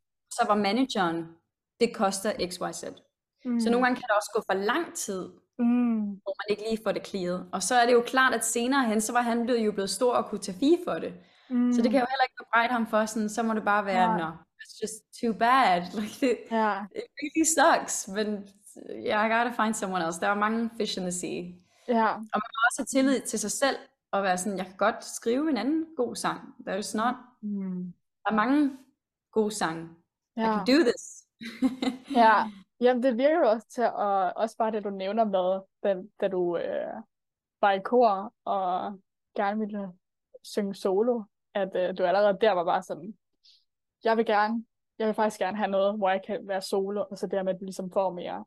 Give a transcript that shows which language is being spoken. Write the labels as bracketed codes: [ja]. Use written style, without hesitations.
[da] Så var manageren, det koster XYZ. Så nogle gange kan det også gå for lang tid, hvor man ikke lige får det clearet. Og så er det jo klart, at senere hen, så var han blevet jo blevet stor og kunne tage fee for det. Så det kan jeg jo heller ikke bebrejde ham for, sådan, så må det bare være, [en] no, it's just too bad. Like, it really sucks, [da] men [en] yeah, I gotta find someone else. [da] Der er mange [en] fish in the sea. [da] Og man må også have tillid til sig selv, og være sådan, jeg kan godt skrive en anden god sang. [en] There is not. [da] Der er mange gode sange. [en] I can do this. [da] Jamen, det virker jo også til, og også bare det, du nævner med, da du var i kor og gerne ville synge solo, at du allerede der var bare sådan, jeg vil faktisk gerne have noget, hvor jeg kan være solo, og så dermed ligesom får mere.